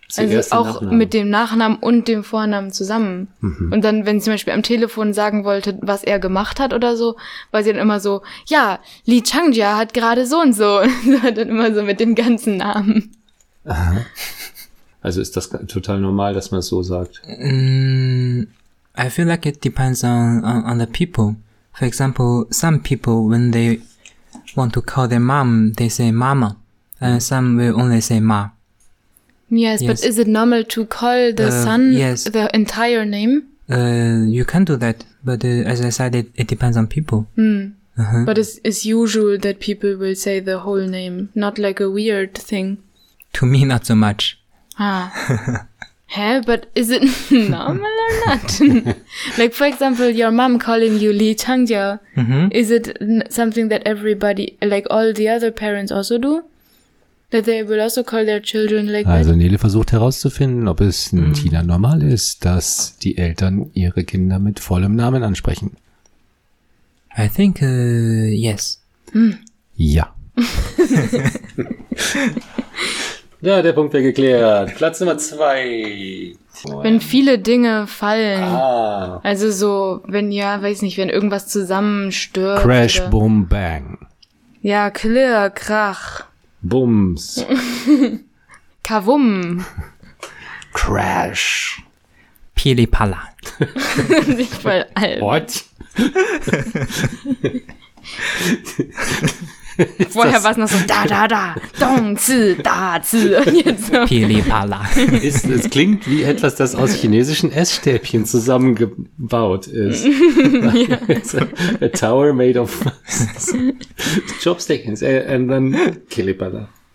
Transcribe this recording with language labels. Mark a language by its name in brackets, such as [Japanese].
[German] Also auch mit dem Nachnamen und dem Vornamen zusammen. Mhm. Und dann, wenn sie zum Beispiel am Telefon sagen wollte, was er gemacht hat oder so, war sie dann immer so, ja, Li Changjia hat gerade so und so. Dann immer so mit dem ganzen Namen. Aha. Also ist das total normal, dass man es so sagt? [English] I feel like it depends on the people. For example, some people, when they want to call their mom, they say mama. And some will only say ma. Yes, but is it normal to call the son the entire name? You can do that. But as I said, it depends on people. Mm. Uh-huh. But it's usual that people will say the whole name, not like a weird thing. To me, not so much. Ah. Hä? But is it normal or not? Like, for example, your mom calling you Li Changjia. Mm-hmm. Is it something that everybody, like all the other parents also do? That they will also call their children like that? [German] Also Nele versucht herauszufinden, ob es in China normal ist, dass die Eltern ihre Kinder mit vollem Namen ansprechen. I think, yes. Mm. Ja. Ja, der Punkt wäre geklärt. Platz Nummer 2. Wenn viele Dinge fallen, also so, wenn ja, weiß nicht, wenn irgendwas zusammenstürzt. [English] Crash, boom, bang. [German] Ja, klirr, krach. Bums. Kavum. [English] Crash. Pili-pala. [German] Nicht voll alt. [English] What? [German] Vorher war es noch so da-da-da, dong-zi, da-zi und jetzt so. Pili-pala. Es klingt wie etwas, das aus chinesischen Essstäbchen zusammengebaut ist. [English] A tower made of chopsticks and then pili-pala.